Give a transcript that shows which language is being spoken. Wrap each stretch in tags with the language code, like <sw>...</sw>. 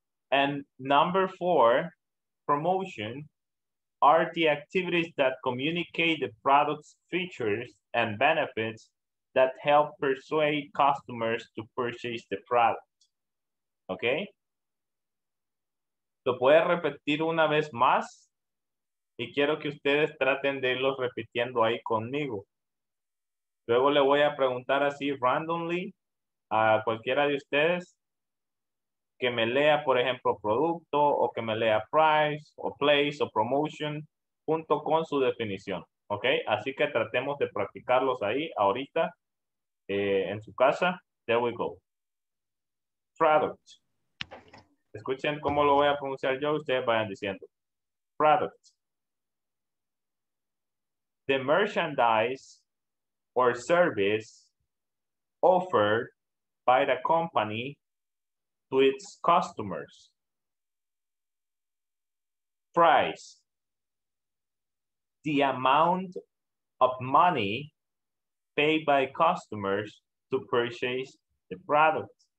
<en>And number four, promotion, are the activities that communicate the product's features and benefits that help persuade customers to purchase the product. Okay?</en> <es>Lo puedes repetir una vez más y quiero que ustedes traten de irlo repitiendo ahí conmigo. Luego le voy a preguntar así randomly a cualquiera de ustedes que me lea, por ejemplo, producto o que me lea price o place o promotion junto con su definición. ¿Ok? Así que tratemos de practicarlos ahí ahorita en su casa.</es> <en>There we go.</en> <es>Product. Escuchen cómo lo voy a pronunciar yo, ustedes vayan diciendo.</es> <en>Product. The merchandise or service offered by the company to its customers. Price. The amount of money paid by customers to purchase the product.</en>